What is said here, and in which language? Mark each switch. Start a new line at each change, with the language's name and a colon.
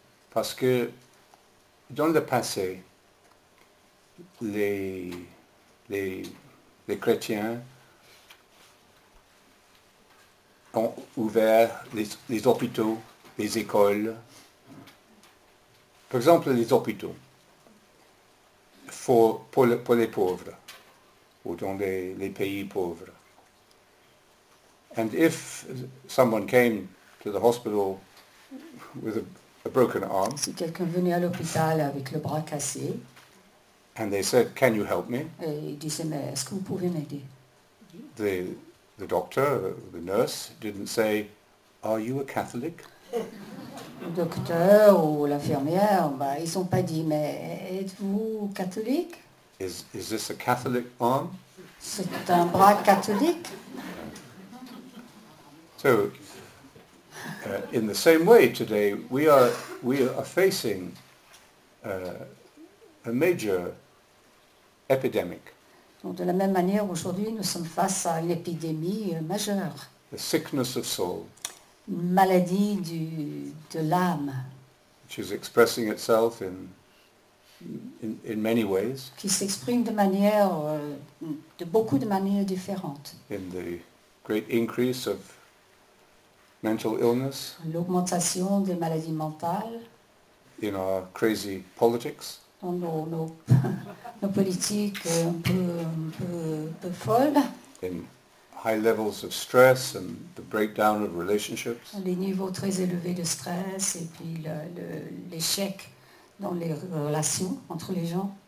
French: Parce que dans le passé, les chrétiens ont ouvert les hôpitaux, les écoles. Par exemple, les hôpitaux pour les pauvres ou dans les pays pauvres.
English: And if someone came to the hospital with a broken arm,
French: si quelqu'un venait à l'hôpital avec le bras cassé,
English: and they said, "Can you help me?"
French: Et ils disaient, mais est-ce que vous pouvez m'aider?
English: The doctor, the nurse, didn't say, "Are you a Catholic?"
French: Le docteur ou l'infirmière, bah, ils n'ont pas dit, mais êtes-vous catholique?
English: Is this a Catholic arm?
French: C'est un bras catholique.
English: So, in the same way, today we are facing a major epidemic.
French: Donc de la même manière, aujourd'hui, nous sommes face à une épidémie majeure.
English: The sickness of soul.
French: Une maladie de l'âme.
English: Which is expressing itself in many ways.
French: Qui s'exprime de manière, de beaucoup de manières différentes.
English: In the great increase of mental illness.
French: L'augmentation des maladies mentales.
English: In our crazy politics.
French: Nos politiques un peu folles.
English: In high levels of stress and the breakdown of relationships.
French: Les niveaux très élevés de stress et puis l'échec dans les relations entre les gens.